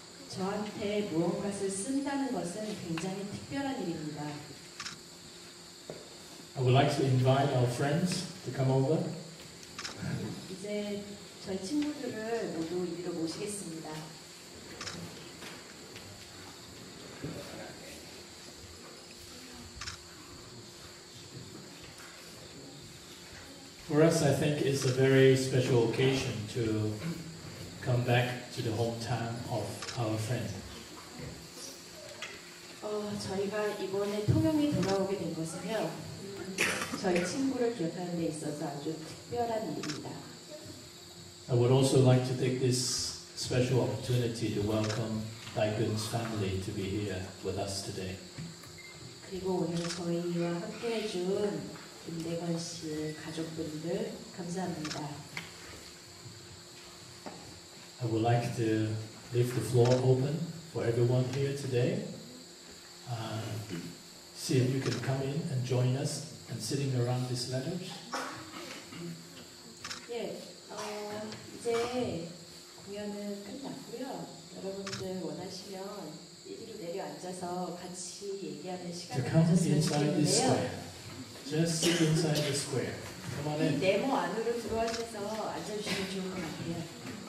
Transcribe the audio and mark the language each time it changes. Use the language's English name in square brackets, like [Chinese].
[Korean] 저한테 무언가를 쓴다는 것은 굉장히 특별한 일입니다. [English] I would like to invite our friends to come over. [Korean] 이제 저희 친구들을 모두 이리로 모시겠습니다. [English] For us, I think it's a very special occasion to come back to the hometown of our friend. [Korean] 저희가 이번에 통영에 돌아오게 된 것은요, 저희 친구를 기억하는 데 있어서 아주 특별한 일입니다. [English] I would also like to take this special opportunity to welcome Daegun's family to be here with us today. [Korean] 그리고 오늘 저희와 함께해 준 김대건 씨의 가족분들 감사합니다. [English] I would like to leave the floor open for everyone here today. See if you can come in and join us and sitting around these letters. [Korean] 예, 이제 공연은 끝났고요. 여러분들 원하시면 이리로 내려앉아서 같이 얘기하는 시간을 가졌으면 좋겠는데요. [English] Just sit inside the square. Come on in. [Korean] 네모 안으로 들어와셔서 앉아주시면 좋을 것 같아요.